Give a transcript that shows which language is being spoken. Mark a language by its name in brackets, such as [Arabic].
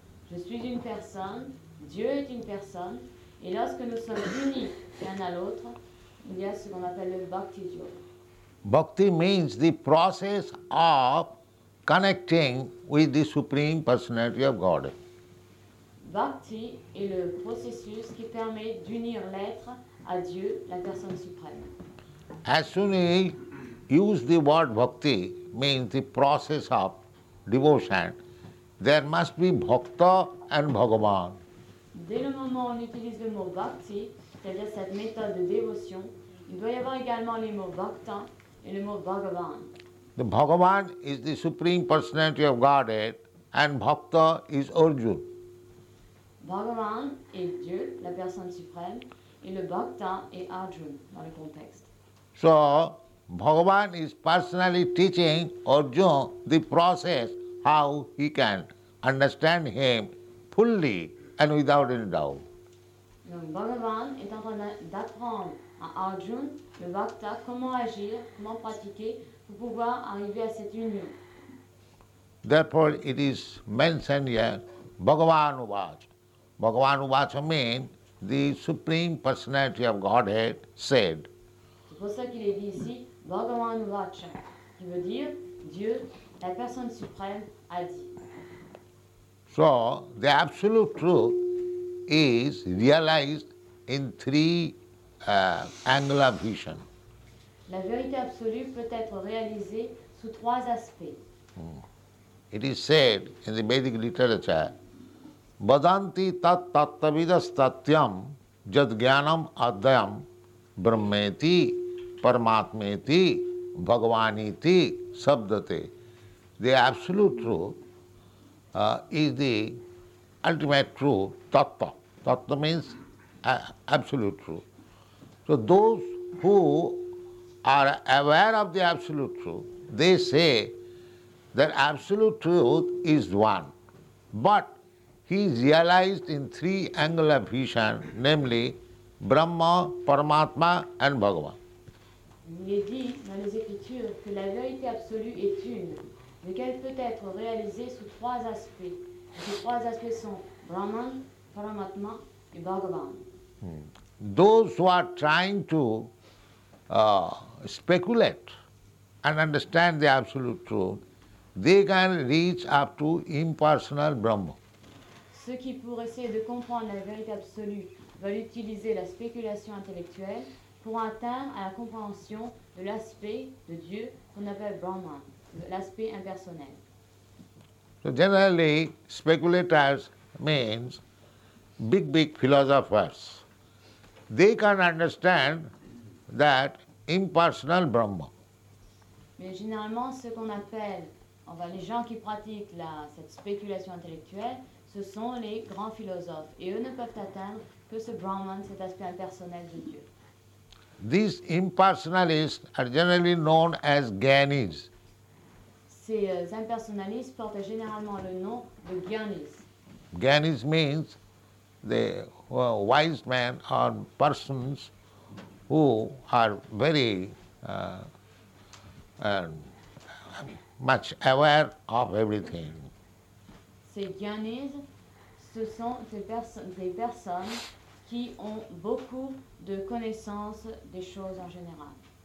[French] Je suis une personne, Dieu est une personne. Et lorsque nous sommes unis l'un à l'autre, il y a ce qu'on appelle le bhakti yoga. [English] Bhakti means the process of connecting with the Supreme Personality of God. [French] Bhakti est le processus qui permet d'unir l'être à Dieu, la Personne Suprême. [English] As soon as you use the word bhakti, means the process of devotion, there must be bhakta and bhagavan. [French] Dès le moment où on utilise le mot bhakti, c'est-à-dire cette méthode de dévotion, il doit y avoir également les mots bhakta et le mot bhagavan. [English] The bhagavan is the supreme personality of Godhead and bhakta is Arjuna. [French] Bhagavan est Dieu, la personne suprême, et le bhakta est Arjuna dans le contexte. [English] So, bhagavan is personally teaching Arjuna the process how he can understand him fully. And without any doubt. [French] Donc Bhagavan est en train d'apprendre à Arjuna, le Bhakta, comment agir, comment pratiquer pour pouvoir arriver à cette union. [English] Therefore, it is mentioned here, Bhagavan Uvacha. Bhagavan Uvacha means the Supreme Personality of Godhead said. [French] C'est pour ça qu'il est dit ici, Bhagavan Uvacha, qui veut dire Dieu, la Personne Suprême, a dit. [English] So, the Absolute Truth is realized in three angle of vision. [French] La vérité absolue peut être réalisée sous trois aspects. [English] It is said in the Vedic literature, [Sanskrit] Vadanti tat tattavidas tatyam jad jnanam adyam brahmeti paramatmeti bhagavaniti sabdate. [English] The absolute truth is the ultimate truth, tattva. Tattva means absolute truth. So those who are aware of the absolute truth, they say that absolute truth is one, but he is realized in three angles of vision, namely Brahma, Paramatma and Bhagavan. [French] Il est dit dans les Écritures que la vérité absolue est une, mais qu'elle peut être réalisée sous trois aspects. Ces trois aspects sont Brahman, Paramatma et Bhagavan. [English] Those who are trying to speculate and understand the absolute truth, they can reach up to impersonal Brahma. [French] Ceux qui pour essayer de comprendre la vérité absolue veulent utiliser la spéculation intellectuelle pour atteindre à la compréhension de l'aspect de Dieu qu'on appelle Brahma, l'aspect impersonnel. [English] So generally, speculators means big, big philosophers. They can understand that impersonal Brahma. [French] Mais généralement, ce qu'on appelle, enfin, les gens qui pratiquent cette spéculation intellectuelle, ce sont les grands philosophes. Et eux ne peuvent atteindre que ce Brahman, cet aspect impersonnel de Dieu. [English] These impersonalists are generally known as Gyanis. [French] Ces impersonalistes portent généralement le nom de Gyanis. [English] Gyanis means the wise men or persons who are very much aware of everything. [French] Ces Gyanis, ce sont des personnes qui ont beaucoup de connaissances des choses en général.